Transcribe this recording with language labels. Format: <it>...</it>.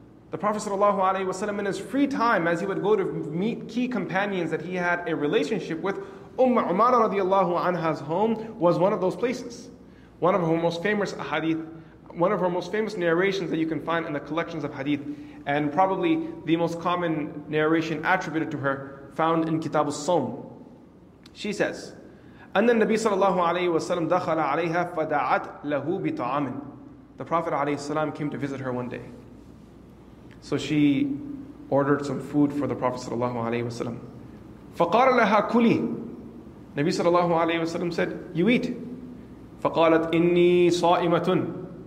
<en>The Prophet sallallahu alayhi wa sallam in his free time, as he would go to meet key companions that he had a relationship with, Ummu Umara radiallahu anha's home was one of those places. One of her most famous hadith, one of her most famous narrations that you can find in the collections of hadith, and probably the most common narration attributed to her, found in Kitab al-Sawm. She says,</en> <ar>أَنَّ النَّبِي صَلَى اللَّهُ عَلَيْهِ وَسَلَمْ دَخَلَ عَلَيْهَا فَدَعَتْ لَهُ بِطَعَامٍ.</ar> <en>The Prophet ﷺ came to visit her one day. So she ordered some food for the Prophet ﷺ.</en> <ar>فَقَالَ لَهَا كُلِي.</ar> <en>Nabi ﷺ said, you eat.</en> <ar>فَقَالَتْ إِنِّي صَائِمَةٌ.</ar>